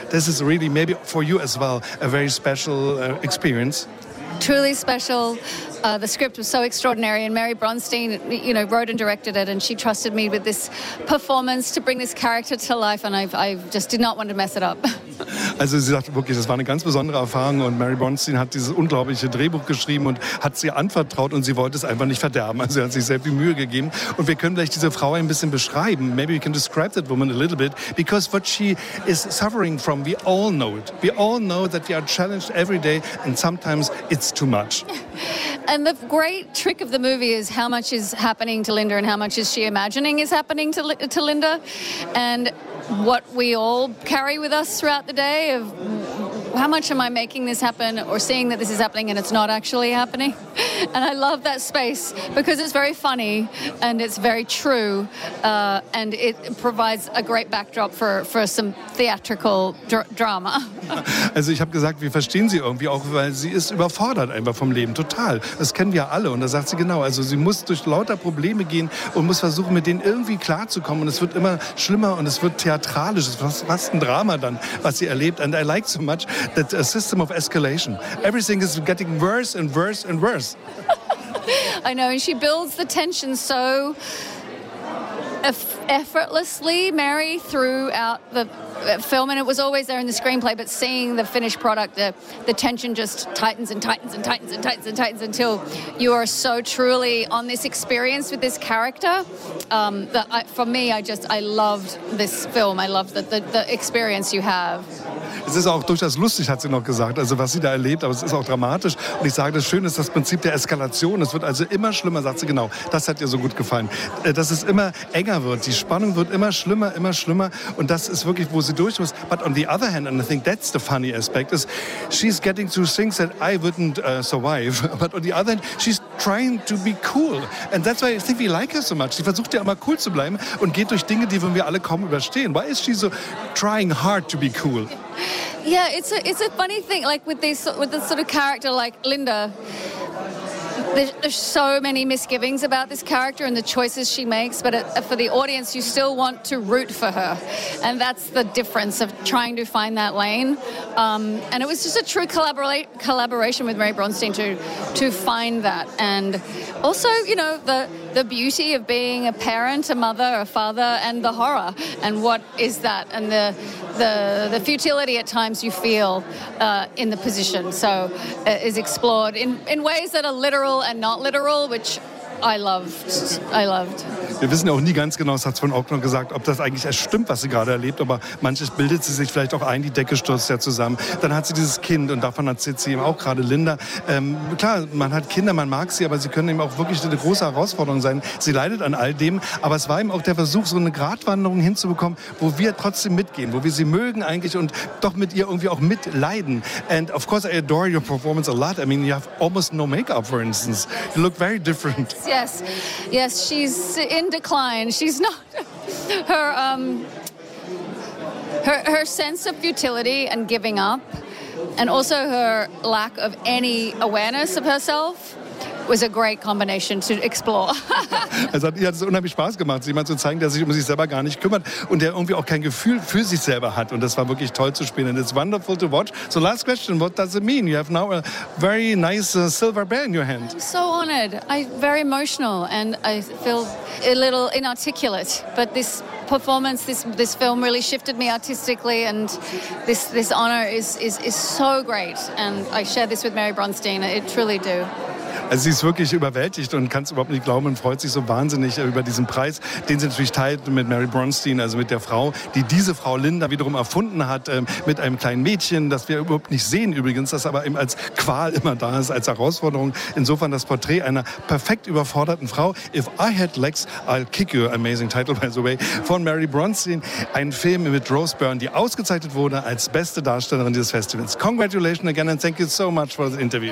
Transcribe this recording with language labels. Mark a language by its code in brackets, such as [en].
[en] This is really, maybe for you as well, a very special experience. Truly special. The script was so extraordinary and Mary Bronstein, you know, wrote and directed it and she trusted me with this performance to bring this character to life and I just did not want to mess it up. [de] Also sie sagt wirklich, das war eine ganz besondere Erfahrung und Mary Bronstein hat dieses unglaubliche Drehbuch geschrieben und hat sie anvertraut und sie wollte es einfach nicht verderben. Also sie hat sich sehr viel Mühe gegeben und wir können vielleicht diese Frau ein bisschen beschreiben. [en] Maybe we can describe that woman a little bit because what she is suffering from, we all know it. We all know that we are challenged every day and sometimes it's too much. And the great trick of the movie is how much is happening to Linda and how much is she imagining is happening to Linda. And what we all carry with us throughout the day of how much am I making this happen or seeing that this is happening and it's not actually happening. And I love that space because it's very funny and it's very true and it provides a great backdrop for some theatrical drama. [de] Also ich habe gesagt, wir verstehen sie irgendwie auch, weil sie ist überfordert einfach vom Leben, total. Das kennen wir alle und da sagt sie genau, also sie muss durch lauter Probleme gehen und muss versuchen, mit denen irgendwie klarzukommen und es wird immer schlimmer und es wird theatralisch. Was ein Drama dann, was sie erlebt. [en] And I like so much that a system of escalation. Everything is getting worse and worse and worse. I know, and she builds the tension so effortlessly, Mary, throughout the film, and it was always there in the screenplay, but seeing the finished product, the tension just tightens and tightens and tightens and tightens and tightens until you are so truly on this experience with this character. I loved this film. I loved the experience you have. [de] Es ist auch durchaus lustig, hat sie noch gesagt, also was sie da erlebt, aber es ist auch dramatisch. Und ich sage, das Schöne ist das Prinzip der Eskalation. Es wird also immer schlimmer, sagt sie genau. Das hat ihr so gut gefallen. Dass es immer enger wird. Die Spannung wird immer schlimmer und das ist wirklich, wo sie durch muss. [en] But on the other hand, and I think that's the funny aspect, is she's getting through things that I wouldn't survive. But on the other hand, she's trying to be cool. And that's why I think we like her so much. [de] Sie versucht ja immer cool zu bleiben und geht durch Dinge, die wir alle kaum überstehen. [en] Why is she so trying hard to be cool? Yeah, it's a funny thing, like with this sort of character like Linda, there's so many misgivings about this character and the choices she makes, but for the audience, you still want to root for her. And that's the difference of trying to find that lane. And it was just a true collaboration with Mary Bronstein to find that. And also, you know, the beauty of being a parent, a mother, a father, and the horror. And what is that? And the futility at times you feel in the position. So is explored in ways that are literal and not literal, which I loved. [de] Wir wissen auch nie ganz genau, das hat es von Ockner gesagt, ob das eigentlich erst stimmt, was sie gerade erlebt, aber manches bildet sie sich vielleicht auch ein, die Decke stürzt ja zusammen. Dann hat sie dieses Kind und davon erzählt sie eben auch gerade Linda. Klar, man hat Kinder, man mag sie, aber sie können eben auch wirklich eine große Herausforderung sein. Sie leidet an all dem, aber es war eben auch der Versuch, so eine Gratwanderung hinzubekommen, wo wir trotzdem mitgehen, wo wir sie mögen eigentlich und doch mit ihr irgendwie auch mitleiden. [en] And of course I adore your performance a lot. I mean, you have almost no makeup, for instance. You look very different. Yes, she's in decline. She's not her sense of futility and giving up, and also her lack of any awareness of herself was a great combination to explore. [de] Also hat es unheimlich Spaß gemacht, sich mal zu zeigen, der sich um sich selber gar nicht kümmert und der irgendwie auch kein Gefühl für sich selber hat. Und das war wirklich toll zu spielen. [en] And it's wonderful to watch. So last question, what does it mean? You have now a very nice silver bell in your hand. I'm so honored. I'm very emotional and I feel a little inarticulate. But this performance, this film really shifted me artistically and this honor is so great. And I share this with Mary Bronstein. It truly do. [de] Also sie ist wirklich überwältigt und kann es überhaupt nicht glauben und freut sich so wahnsinnig über diesen Preis, den sie natürlich teilt mit Mary Bronstein, also mit der Frau, die diese Frau Linda wiederum erfunden hat, mit einem kleinen Mädchen, das wir überhaupt nicht sehen übrigens, das aber eben als Qual immer da ist, als Herausforderung. Insofern das Porträt einer perfekt überforderten Frau. [en] If I Had Legs, I'll Kick You, amazing title by the way, von Mary Bronstein. [de] Ein Film mit Rose Byrne, die ausgezeichnet wurde als beste Darstellerin dieses Festivals. [en] Congratulations again and thank you so much for the interview.